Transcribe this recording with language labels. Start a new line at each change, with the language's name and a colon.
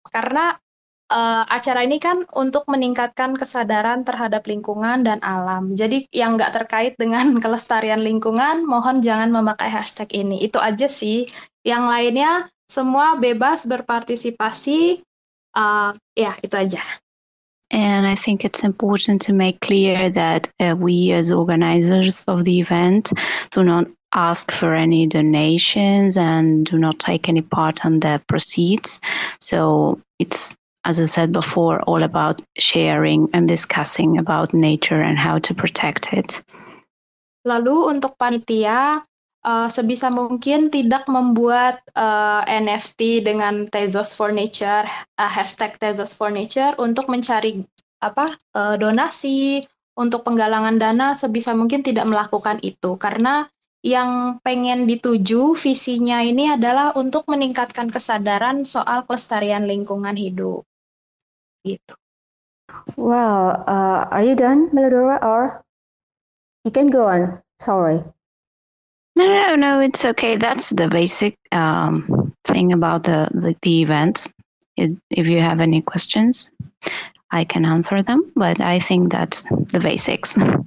Indonesian: Karena acara ini kan untuk meningkatkan kesadaran terhadap lingkungan dan alam. Jadi yang nggak terkait dengan kelestarian lingkungan, mohon jangan memakai hashtag ini. Itu aja sih. Yang lainnya semua bebas berpartisipasi. Itu aja.
English: And I think it's important to make clear that we as organizers of the event do not ask for any donations and do not take any part on the proceeds. So it's, as I said before, all about sharing and discussing about nature and how to protect it.
Indonesian: Lalu untuk panitia, sebisa mungkin tidak membuat NFT dengan Tezos for Nature, hashtag Tezos for Nature, untuk mencari donasi, untuk penggalangan dana, sebisa mungkin tidak melakukan itu. Karena yang pengen dituju visinya ini adalah untuk meningkatkan kesadaran soal kelestarian lingkungan hidup. Gitu.
English: Well, are you done, Melodora, or you can go on? Sorry. No, it's okay. That's the basic thing about the event. If you have any questions, I can answer them, but I think that's the basics.